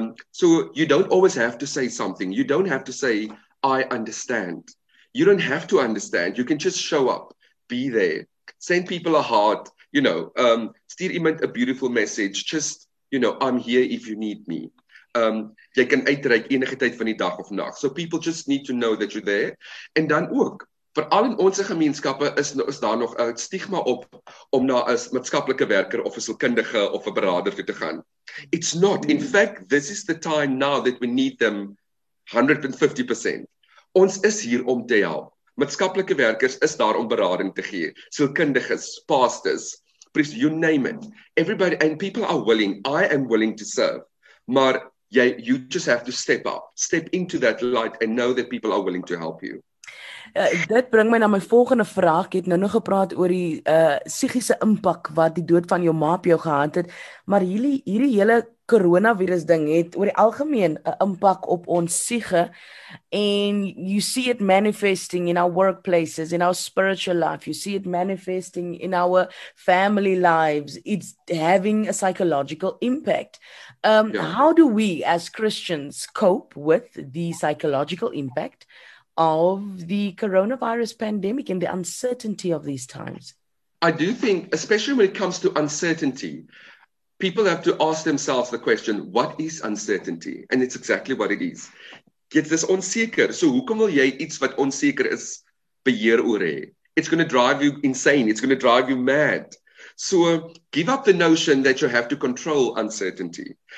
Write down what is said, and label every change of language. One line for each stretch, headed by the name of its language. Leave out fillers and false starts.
English: So, you don't always have to say something. You don't have to say, I understand. You don't have to understand. You can just show up, be there. Send people a heart. You know,
Afrikaans: stuur iemand
English: a beautiful message, just, you know, I'm here if you need me.
Afrikaans: Jy kan uitreik enige tyd van die dag of nag.
English: So people just need to know that you're there.
Afrikaans: En dan ook, veral in ons gemeenskappe is daar nog 'n stigma op om na 'n maatskaplike werker of 'n sielkundige of 'n beraader toe te gaan.
English: It's not. In fact, this is the time now that we need them 150%.
Afrikaans: Ons is hier om te help. Maatskaplike werkers is daar om berading te gee.
English: Sielkundiges, pastors, priests, you name it. Everybody and people are willing. I am willing to serve. Maar you just have to step up. Step into that light and know that people are willing to help you.
Afrikaans: Dit bring my na my volgende vraag. Ek het nou gepraat oor die psigiese impak wat die dood van jou ma op jou gehad het, maar hierdie hele coronavirus ding het oor die algemeen 'n impak op ons siege,
English: and you see it manifesting in our workplaces, in our spiritual life, you see it manifesting in our family lives, it's having a psychological impact. How do we as Christians cope with the psychological impact of the coronavirus pandemic and the uncertainty of these times? I do think, especially when it comes to uncertainty, people have to ask themselves the question, what is uncertainty? And it's exactly what it is.
Afrikaans: Dit is onseker. So hoekom wil jy iets wat onseker is beheer oor hê?
English: It's going to drive you insane. It's going to drive you mad. So give up the notion that you have to control uncertainty.